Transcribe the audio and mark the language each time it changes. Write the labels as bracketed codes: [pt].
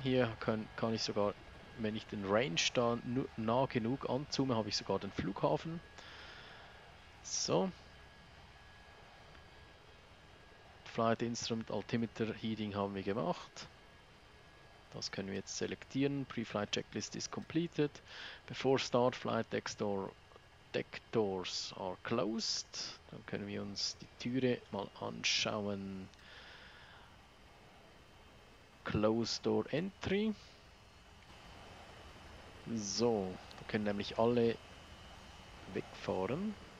[de] Hier kann ich sogar, wenn ich den Range da nah genug anzoome, habe ich sogar den Flughafen. So. Flight Instrument Altimeter Heading haben wir gemacht. Das können wir jetzt selektieren. [en] Pre-flight checklist is completed. Before start flight deck doors are closed. [de] Dann können wir uns die Türe mal anschauen. [en] Closed door entry. [de] So, da können nämlich alle wegfahren.